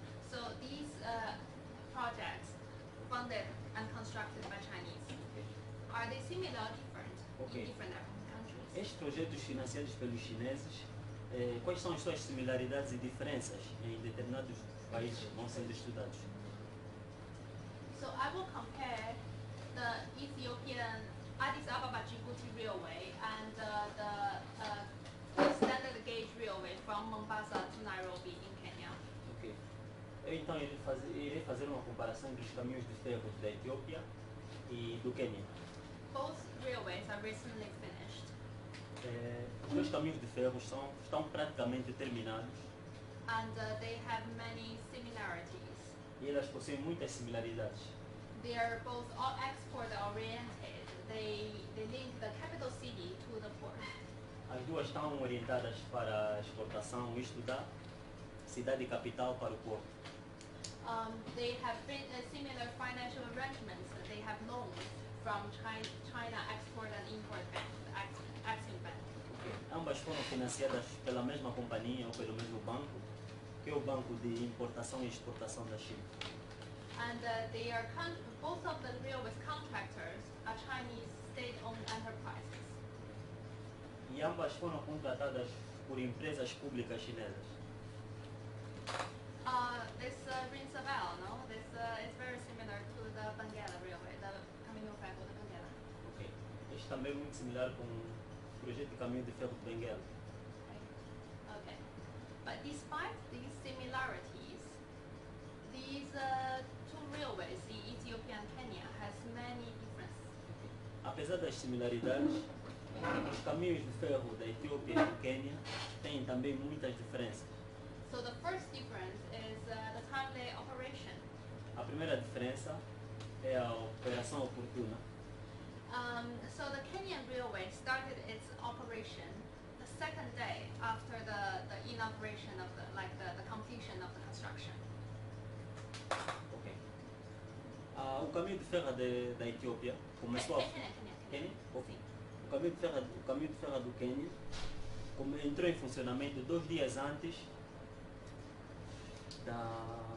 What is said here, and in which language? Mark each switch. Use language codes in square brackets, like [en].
[en] So these projects funded and constructed by Chinese, are they similar or different in different African countries? [pt] Estes projetos financiados pelos chineses, quais são as suas similaridades e diferenças em determinados países que vão sendo estudados? [en] So I will compare the Ethiopian Addis Ababa Djibouti Railway and the standard gauge railway from Mombasa to Nairobi in Kenya. Okay. [pt] Eu então irei fazer uma comparação entre os caminhos de ferro da Etiópia e do Quênia. [en] Both railways are recently finished. [pt] os dois caminhos de ferro estão praticamente terminados. [en] And they have many similarities. [pt] E elas possuem muitas similaridades. [en] They are both all export oriented. They link the capital city to the port. [pt] As duas estão orientadas para exportação, isto da cidade capital para o porto. [en] They have similar financial arrangements. They have loans from China Export and Import Bank, Exim Bank. Okay. [pt] Ambas foram financiadas pela mesma companhia ou pelo mesmo banco, que é o Banco de Importação e Exportação da China. [en] And they are both of the railway contractors are Chinese state-owned enterprises. [pt] E ambas foram contratadas por empresas públicas chinesas. [en] This rings a bell, no? This is very similar to the Benguela Railway, the Caminho Ferro de Benguela. Okay. [pt] Este também é muito similar com o projeto de Caminho de Ferro de Benguela. [en] Okay. But despite these similarities, these two railways, the Ethiopia and Kenya, has many differences. [pt] Apesar das similaridades, os caminhos de ferro da Etiópia e do Quênia têm também muitas diferenças. [en] So the first difference is the timely operation. [pt] A primeira diferença é a operação oportuna. [en] So the Kenyan railway started its operation the second day after the inauguration of the like the completion of the construction. Okay. [pt] O caminho de ferro da Etiópia começou a O caminho de ferro do Quênia entrou em funcionamento dois dias antes da...